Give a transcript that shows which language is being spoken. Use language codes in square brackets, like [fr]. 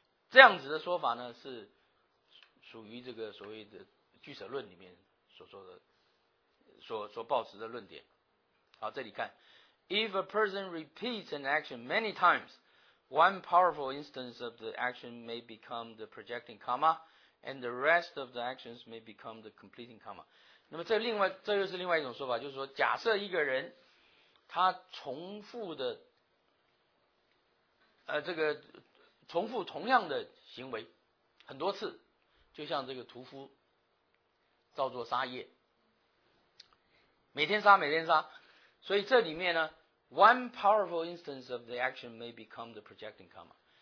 [zh] 这样子的说法呢，是属于这个所谓的聚舍论里面所说的，所抱持的论点。好，这里看 [en] ，If a person repeats an action many times, one powerful instance of the action may become the projecting karma, and the rest of the actions may become the completing karma。 [zh] 那么这又是另外一种说法，就是说，假设一个人他重复的，这个。重复同样的行为很多次，就像这个屠夫造作杀业，每天杀每天杀，所以这里面呢 [en] one powerful instance of the action may become the projecting karma，